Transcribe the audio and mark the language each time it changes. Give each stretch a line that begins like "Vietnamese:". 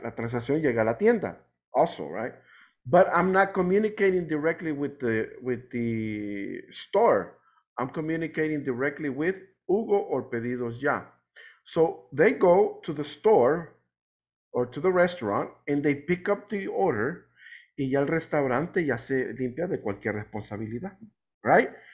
Spanish: La transacción llega a la tienda also, right?
English: But I'm not communicating directly with the store. I'm communicating directly with Hugo or Pedidos Ya. So they go to the store or to the restaurant and they pick up the order.
Spanish: Y ya el restaurante ya se limpia de cualquier responsabilidad, right?